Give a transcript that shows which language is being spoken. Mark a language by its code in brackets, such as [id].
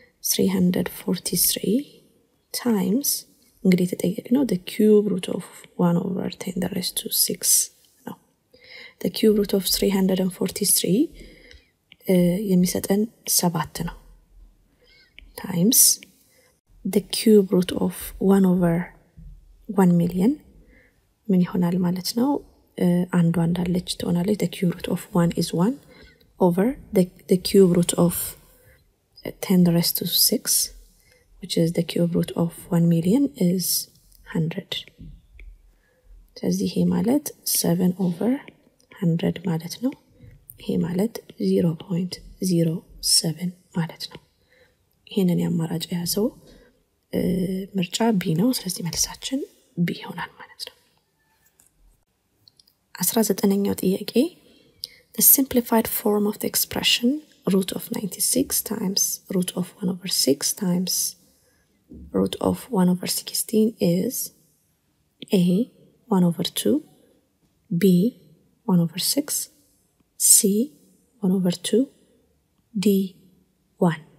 [en] 343 times [am] እንግዲህ ተጠየቅነው [en] the cube root of 1 over 10 the rest to 6 ነው። the cube root of 343 የሚሰጠን 7 ነው። times the cube root of 1 over 1 million [am] ምን ይሆናል ማለት ነው? አንዱ አንድ አለች ትሆናለች። [en] the cube root of 1 is 1 over the cube root of 10 raised to 6 which is the cube root of 1 million is 100. [am] ስለዚህ ይሄ ማለት 7 over 100 ማለት ነው። ይሄ ማለት 0.07 ማለት ነው። ይሄንን ያማራጭ ያሰው ምርጫ ቢ ነው። ስለዚህ መልሳችን ቢ ይሆናል ማለት ነው። 19ኛው ጥያቄ [en] the simplified form of the expression root of 96 times root of 1 over 6 times root of 1 over 16 is A, 1 over 2, B, 1 over 6, C, 1 over 2, D, 1.